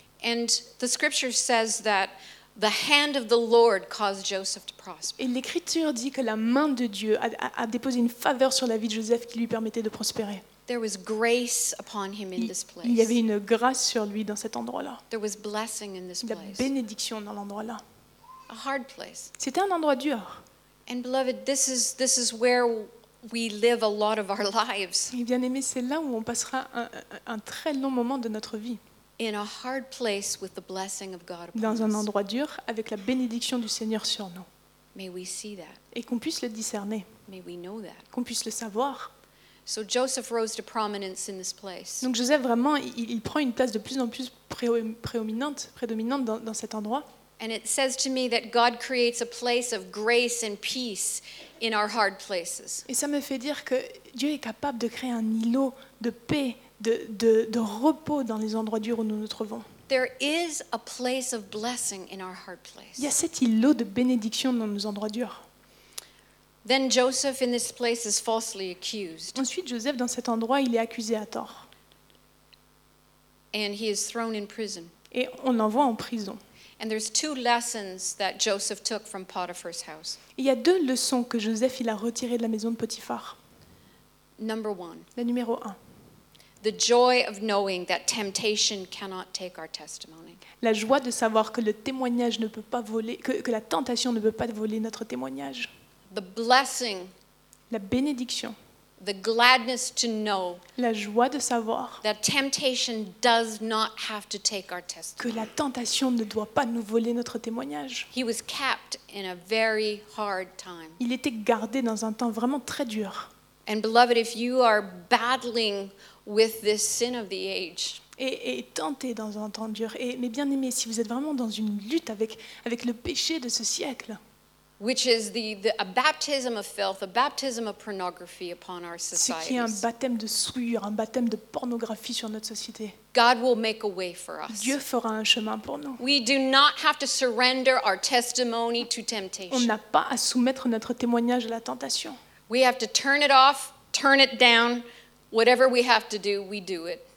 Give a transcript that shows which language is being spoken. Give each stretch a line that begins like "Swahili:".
English: And the scripture says that the hand of the Lord caused Joseph to prosper.
French: Et l'écriture dit que la main de Dieu a déposé une faveur sur la vie de Joseph qui lui permettait de prospérer.
English: There was grace upon him in this place.
French: Il y avait une grâce sur lui dans cet endroit-là.
English: There was blessing in this place.
French: La bénédiction dans l'endroit-là.
English: A hard place.
French: C'était un endroit dur.
English: And beloved, this is where we live a lot of our lives.
French: Et bien-aimé, c'est là où on passera un très long moment de notre vie.
English: In a hard place with the blessing of God upon us.
French: Dans un endroit dur avec la bénédiction du Seigneur sur nous.
English: May we see that.
French: Et qu'on puisse le discerner.
English: May we know that.
French: Qu'on puisse le savoir.
English: So Joseph rose to prominence in this place.
French: Donc Joseph vraiment il prend une place de plus en plus prédominante dans cet endroit.
English: And it says to me that God creates a place of grace and peace in our hard places.
French: Et ça me fait dire que Dieu est capable de créer un îlot de paix, de repos dans les endroits durs où nous nous trouvons.
English: There is a place of blessing in our hard place.
French: Il y a cet îlot de bénédiction dans nos endroits durs.
English: Then Joseph in this place is falsely accused.
French: Ensuite, Joseph dans cet endroit, il est accusé à tort.
English: And he is thrown in prison.
French: Et on l'envoie en prison.
English: And there's two lessons that Joseph took from Potiphar's house.
French: Il y a deux leçons que Joseph il a retirées de la maison de Potiphar.
English: Number one.
French: La numéro un.
English: The joy of knowing that temptation cannot take our testimony.
French: La joie de savoir que le témoignage ne peut pas voler, que la tentation ne peut pas voler notre témoignage.
English: The blessing.
French: La bénédiction.
English: The gladness to know.
French: La joie de savoir.
English: That temptation does not have to take our testimony.
French: Que la tentation ne doit pas nous voler notre témoignage.
English: He was kept in a very hard time.
French: Il était gardé dans un temps vraiment très dur.
English: And beloved, if you are battling with this sin of the age.
French: Et tenté dans un temps dur. Et mes bien-aimés, si vous êtes vraiment dans une lutte avec le péché de ce siècle.
English: Which is a baptism of filth, a baptism of pornography upon our society.
French: Ce qui est un baptême de souillure, un baptême de pornographie sur notre société.
English: God will make a way for us.
French: Dieu fera un chemin pour nous.
English: We do not have to surrender our testimony to temptation.
French: On n'a pas à soumettre notre témoignage à la tentation.
English: We have to turn it off, turn it down. Whatever we have to do, we do it.